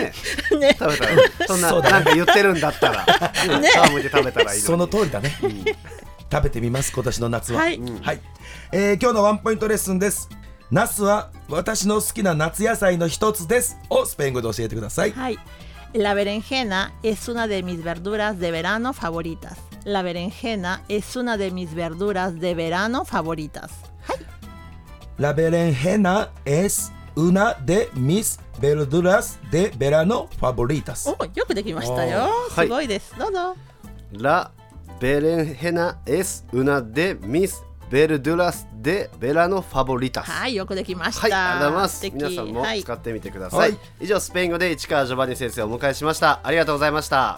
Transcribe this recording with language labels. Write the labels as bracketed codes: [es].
[ja] ね食べたら、そんな、そうだ、なんか言ってるんだったら、ね、皮剥いて食べたらいい。その通りだね、うん、食べてみます、今年の夏は。はい、はい、今日のワンポイントレッスンです。ナスは私の好きな夏野菜の一つですをスペイン語で教えてください。 [es] はい、La berenjena es una de mis verduras de verano favoritas. La berenjena es una de mis verduras de verano favoritas. La berenjena es una de mis verduras de verano favoritas. [ja] Oh, よくできましたよ。すごいです。どうぞ。 [es] La berenjena es una de mis verduras de verano favoritas。 [ja] はい、よくできました。はい、ありがとうございます。皆さんも使ってみてください、はい、以上、スペイン語で市川ジョバニ先生をお迎えしました。ありがとうございました。